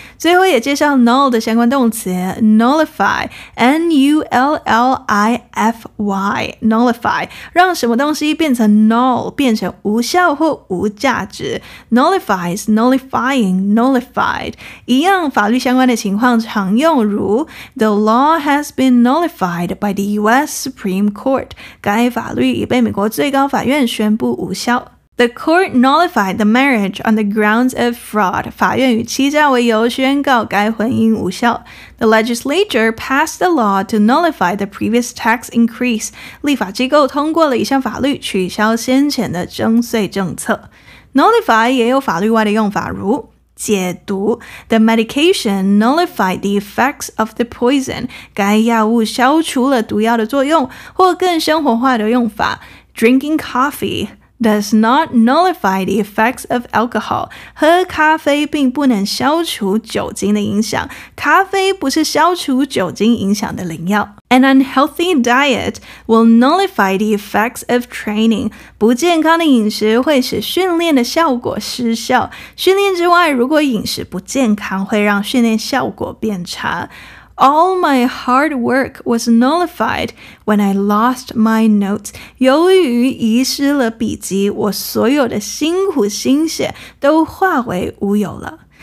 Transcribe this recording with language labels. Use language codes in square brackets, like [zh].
[zh] 最后也介绍 null 的相关动词 nullify N-U-L-L-I-F-Y nullify 让什么东西变成 null 变成无效或无价值 nullifies nullifying nullified 一样法律相关的情况常用，如 [en] the law has been nullifiedby the U.S. Supreme Court. [zh] 该法律已被美国最高法院宣布无效。 [en] The court nullified the marriage on the grounds of fraud. [zh] 法院以欺诈为由宣告该婚姻无效。 [en] The legislature passed the law to nullify the previous tax increase. [zh] 立法机构通过了一项法律取消先前的征税政策。 Nullify 也有法律外的用法，如解毒 [en] The medication nullified the effects of the poison. [zh] 该药物消除了毒药的作用，或更生活化的用法 [en] Drinking coffee does not nullify the effects of alcohol. [zh] 喝咖啡并不能消除酒精的影响，咖啡不是消除酒精影响的灵药。 [en] An unhealthy diet will nullify the effects of training. [zh] 不健康的饮食会使训练的效果失效。训练之外，如果饮食不健康，会让训练效果变差。 [en] All my hard work was nullified when I lost my notes. [zh] 由于遗失了笔记，我所有的辛苦心血都化为乌有了。